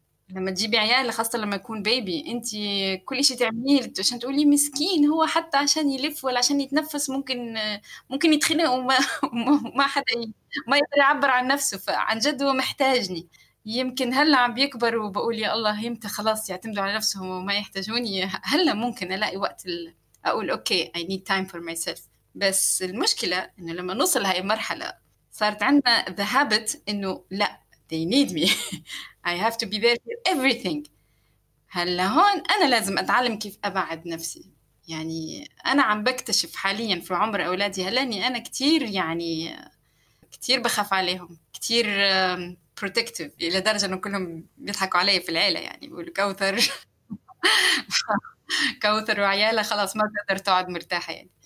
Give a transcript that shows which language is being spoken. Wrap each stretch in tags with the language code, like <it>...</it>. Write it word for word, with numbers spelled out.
<ar>لما تجيبي عيال خاصة لما يكون بيبي، أنت كل شيء تعمليه عشان تقولي مسكين هو، حتى عشان يلف ولا عشان يتنفس ممكن ممكن يتخنق وما ما حدا ما يقدر يعبر عن نفسه، فعن جد هو محتاجني. يمكن هلا عم بيكبر وبقول يا الله يمتى خلاص يعتمدوا على نفسهم وما يحتاجوني، هلا ممكن ألاقي وقت أقول أوكي</ar> <en>I need time for myself.</en> <ar>بس المشكلة إنه لما نوصل هاي المرحلة صارت عندنا</ar> <en>the habit</en> <ar>إنه لا</ar> <en>they need me I have to be there for everything.</en> <ar>هلا هون أنا لازم أتعلم كيف أبعد نفسي. يعني أنا عم بكتشف حاليا في عمر أولادي هلا إني أنا كتير يعني كتير بخاف عليهم، كتير protective، إلى درجة إنه كلهم بيضحكوا علي في العيلة، يعني بيقولوا كوثر كوثر وعيالها خلاص ما تقدر تقعد مرتاحة يعني.</ar>